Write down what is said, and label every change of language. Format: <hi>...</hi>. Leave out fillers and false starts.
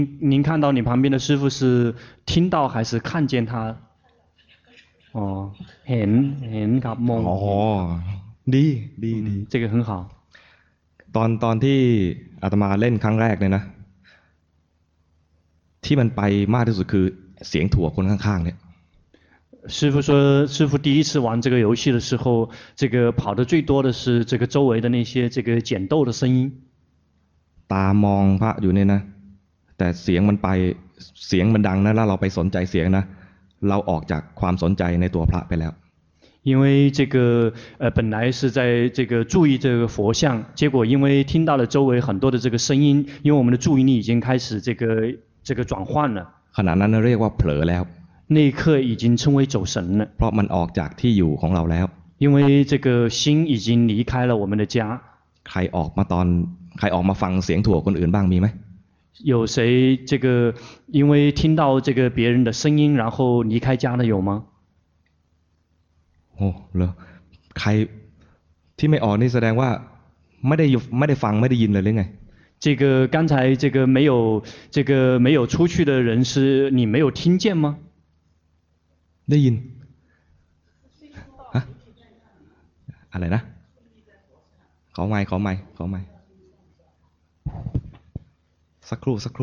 <zh>您看到你旁边的师父是听到还是看见他哦</zh> <th>เห็นครับมอง อ๋อดี</th> <zh>这个很好</zh> <th>ตอนที่อาตมาเล่นครั้งแรกเลยนะที่มันไปมากที่สุดคือเสียงถั่วคนข้างๆเนี่ย</th> <zh>师父说师父第一次玩这个游戏的时候这个跑的最多的是这个周围的那些这个捡豆的声音</zh> <th>ตามองพระอยู่เนี่ยนะแต่เสียงมันไปเสียงมันดังนะแล้วเราไปสนใจเสียงนะเราออกจากความสนใจในตัวพระไปแล้ว</th> <zh>因为这个本来是在这个注意这个佛像结果因为听到了周围很多的这个声音因为我们的注意力已经开始这个转换了</zh> <th>ขณะนั้นเรียกว่าเผลอแล้ว</th> <zh>那一刻已经称为走神了</zh> <th>เพราะมันออกจากที่อยู่ของเราแล้ว</th> <zh>因为这个心已经离开了我们的家</zh> <th>ใครออกมาตอนใครออกมาฟังเสียงถั่วคนอื่นบ้างมีไหม</th> <zh>有谁这个因为听到这个别人的声音然后离开家的有吗</zh> <th>โอ้เหรอใครที่ไม่ออกนี่แสดงว่าไม่ได้ฟังไม่ได้ยินเลยหรือไง</th> <zh>这个刚才这个没有出去的人是你没有听见吗？</zh> <th>ได้ยิน啊？อะไรนะ？ ขอไมค์ขอไมค์ขอไมค์สักครู่</th>